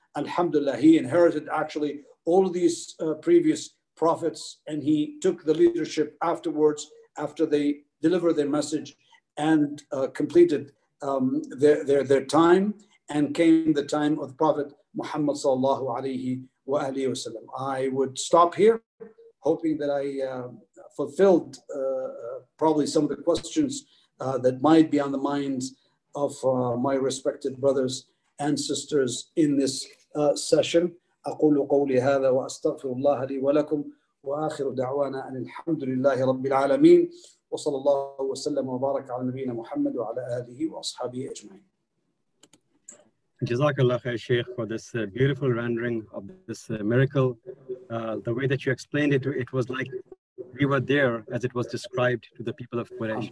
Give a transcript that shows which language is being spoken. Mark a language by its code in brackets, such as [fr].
[en] Alhamdulillah, he inherited actually all of these previous prophets, and he took the leadership afterwards, after they delivered their message and completed their time, and came the time of the Prophet Muhammad sallallahu alayhi wa alihi wa sallam. I would stop here, hoping that I fulfilled probably some of the questions that might be on the minds of my respected brothers and sisters in this session. [ar] أقول قولي هذا وأستغفر الله لي ولكم وآخر دعوانا أن الحمد لله رب العالمين وصلى الله وسلم وبارك على نبينا محمد وعلى آله وأصحابه أجمعين. جزاك الله خير شيخ [en] for this beautiful rendering of this miracle. The way that you explained it, it was like we were there as it was described to the people of Quraysh.